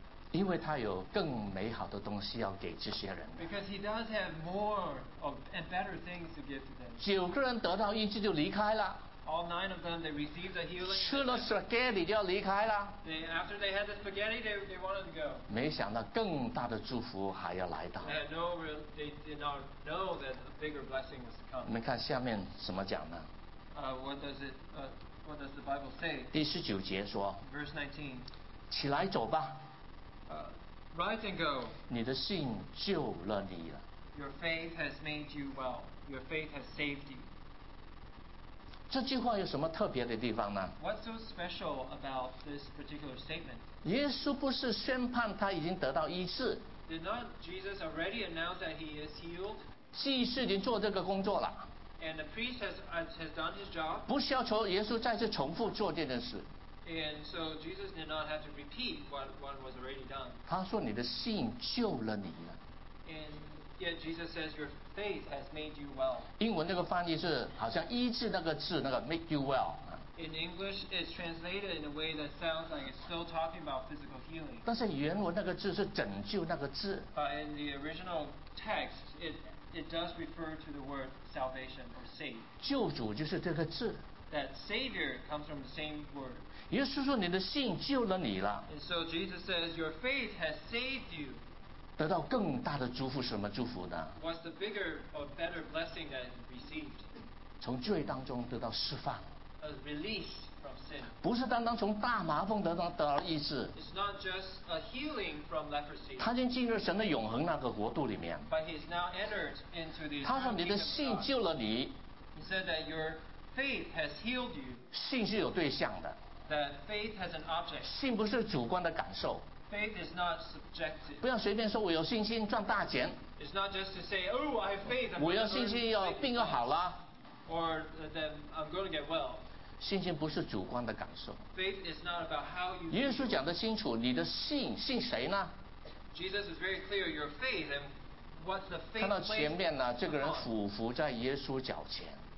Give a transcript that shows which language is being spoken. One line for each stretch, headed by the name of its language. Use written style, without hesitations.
Chinese: 因为他有更美好的东西要给这些人。
English: Because he does have more of and better things to give to them.
Chinese: 九个人得到医治就离开了。
English: All nine of them, they received the healing.
Chinese: 吃了 spaghetti 就要离开了。
English: They, after they had the spaghetti, they wanted to go.
Chinese: 没想到更大的祝福还要来到。
English: They did not know that a bigger blessing was to come.
Chinese: 你们看下面怎么讲呢？
English: What does the Bible say?
Chinese: 第十九节说。
English: Verse 19.
Chinese: 起来走吧。
English: Rise and go.
Chinese: 你的信救了你了。
English: Your faith has made you well. Your faith has saved you.
Chinese: 这句话有什么特别的地方呢？
English: What's so special about this particular statement?
Chinese: 耶稣不是宣判他已经得到医治。
English: Did not Jesus already announce that he is healed?
Chinese: 祭司已经做这个工作了。
English: And the priest has done his job.
Chinese: 不需要求耶稣再次重复做这件事。
English: And so Jesus did not have to repeat what was already done.
Chinese: 他说你的信救了你了。
English: And yet Jesus says your faith has made you well.
Chinese: 英文那个翻译是好像医治那个字那个
English: make you well. In English, it's translated in a way that sounds like it's still talking about physical healing.
Chinese: 但是原文那个字是拯救那个字。
English: But in the original text, it does refer to the word salvation or save.
Chinese: 救主就是这个字。
English: That savior comes from the same word.
Chinese: 耶稣说你的信救了你了。
English: And so Jesus says your faith has saved you.
Chinese: 得到更大的祝福，什么祝福呢？
English: What's the bigger or better blessing that you received?
Chinese: 从罪当中得到释放。
English: A release from sin.
Chinese: 不是单单从大麻风得到医治。
English: It's not just a healing from leprosy.
Chinese: 他已经进入神的永恒那个国度里面。
English: But he's now entered into the.
Chinese: 他说你的信救了你。
English: He said that your faith has healed you.
Chinese: 信是有对象的。
English: That faith has an object.
Chinese: 信不是主观的感受。
English: Faith is not subjective.
Chinese: 不要随便说我有信心赚大钱。
English: It's not just to say, oh, I have faith.
Chinese: 我有信心要病要好了。
English: Or that I'm going to get well.
Chinese: 信心不是主观的感受。
English: Faith is not about how you.
Chinese: 耶稣讲得清楚，你的信信谁呢？
English: Jesus is very clear your faith and what's the faith.
Chinese: 看到前面呢，这个人俯伏在耶稣脚前。